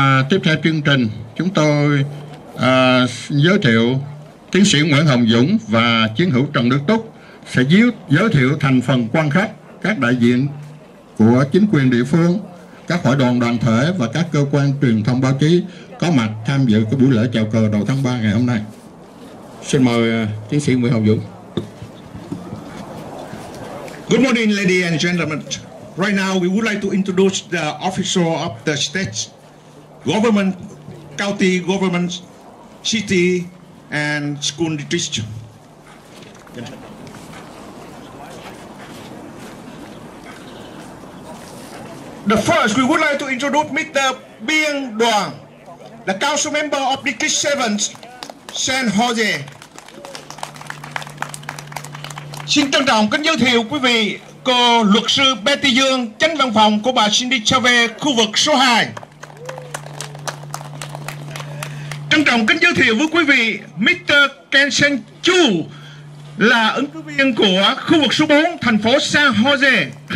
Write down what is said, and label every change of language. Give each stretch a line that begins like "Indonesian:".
Vietnamese: Tiếp theo chương trình chúng tôi giới thiệu tiến sĩ Nguyễn Hồng Dũng và chiến hữu Trần Đức Túc sẽ giới thiệu thành phần quan khách, các đại diện của chính quyền địa phương, các hội đoàn đoàn thể và các cơ quan truyền thông báo chí có mặt tham dự cái buổi lễ chào cờ đầu tháng 3 ngày hôm nay. Xin mời tiến sĩ Nguyễn Hồng Dũng.
English: Good morning, ladies and gentlemen. Right now, we would like to introduce the official of the state government, county government, city and school district. The first, we would like to introduce Mr. Bien Duong, the council member of District 7, San Jose.
Vietnamese: Xin trân trọng kính giới thiệu quý vị, cô luật sư Betty Dương, chánh văn phòng của bà Cindy Chavez, khu vực số 2. Trân trọng kính giới thiệu với quý vị, Mr. Kenshin Chu, là ứng cử viên của khu vực số 4, thành phố San Jose.